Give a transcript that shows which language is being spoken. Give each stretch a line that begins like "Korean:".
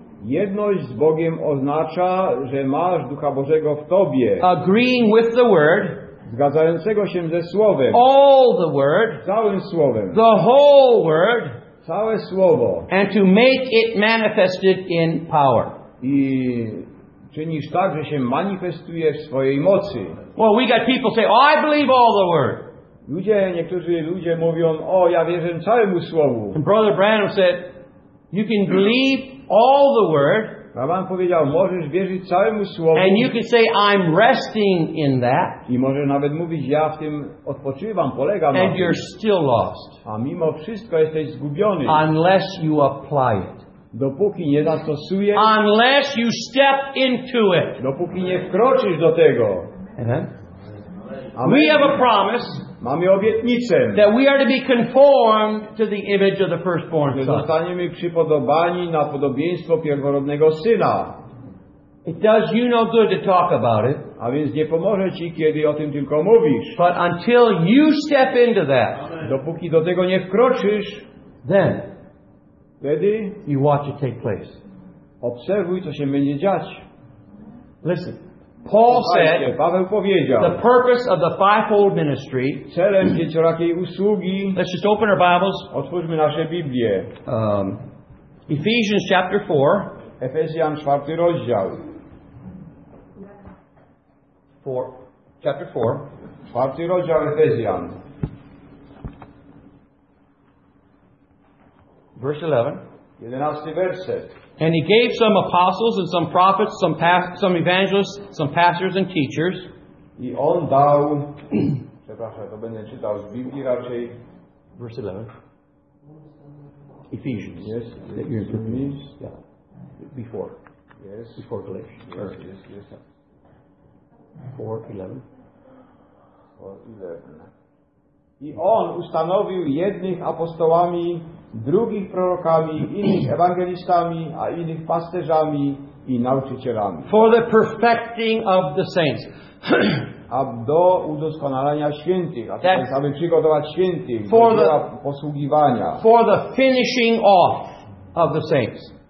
Polish: Jedność z Bogiem oznacza, że masz Ducha Bożego w tobie.
English: Agreeing with the Word,
Polish: zgadzającego się ze Słowem.
English: All the Word,
Polish: całym Słowem.
English: The whole Word,
Polish: całe Słowo.
English: And to make it manifested in power.
Polish: I czynisz tak, że się manifestuje w swojej mocy.
English: Well, we got people say, oh, I believe all the Word.
Polish: Ludzie, niektórzy ludzie mówią, o, ja wierzę całemu Słowu.
English: And Brother Branham said, you can believe all the Word,
Polish: Abraham powiedział, możesz wierzyć całemu Słowu,
English: and you can say, I'm resting in that,
Polish: i możesz nawet mówić, ja w tym odpoczywam, polegam
English: and
Polish: na tym,
English: you're still lost,
Polish: a mimo wszystko jesteś zgubiony,
English: unless you apply it,
Polish: dopóki nie zastosujesz,
English: unless you step into it,
Polish: dopóki nie wkroczysz do tego.
English: Amen. We have a promise,
Polish: mamy obietnicę,
English: that we are to be conformed to the image of the firstborn son.
Polish: Zostaniemy przypodobani na podobieństwo pierworodnego syna.
English: It does you no good to talk about it,
Polish: a więc nie pomoże ci, kiedy o tym tylko mówisz.
English: But until you step into that,
Polish: dopóki do tego nie wkroczysz,
English: then,
Polish: wtedy,
English: you watch it take place.
Polish: Obserwuj, co się będzie dziać.
English: Listen. Paul said,
Polish: Paweł powiedział,
English: the purpose of the fivefold ministry,
Polish: celem pięciorakiej usługi,
English: let's just open our Bibles,
Polish: otwórzmy nasze Biblię,
English: Ephesians chapter 4,
Polish: Efezjan 4 rozdział,
English: chapter 4,
Polish: 4 rozdział Efezjan,
English: verse 11,
Polish: 11 werset.
English: And he gave some apostles and some prophets, some evangelists, some pastors and teachers.
Polish: I on dał, przepraszam, to będę czytał z Biblii raczej.
English: Verse 11. Ephesians. Yes. That you're Ephesians. Before. Yes. Before Galatians. Yes. 4:11. 4:11.
Polish: I on ustanowił jednych apostołami, drugich prorokami, innych ewangelistami, a innych pasterzami i nauczycielami.
English: For the perfecting of the saints.
Polish: A do udoskonalania świętych, a tak, aby przygotować świętych do dzieła posługiwania.
English: For the finishing off of the saints.